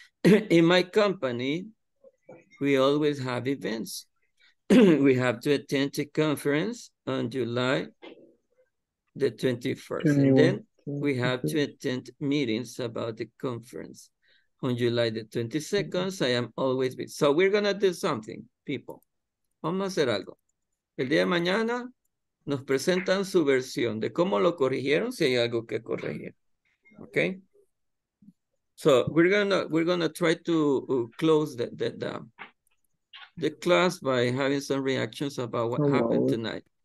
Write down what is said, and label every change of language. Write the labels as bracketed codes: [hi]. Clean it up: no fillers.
[en] In my company, we always have events. We have to attend a conference on July the 21st. 21. And then we have to attend meetings about the conference on July the 22nd. Mm-hmm. I am always busy. So we're going to do something, people. [es] Vamos a hacer algo. El día de mañana nos presentan su versión de cómo lo corrigieron, si hay algo que corregir. Okay? [en] So, we're gonna try to close the class by having some reactions about what happened tonight.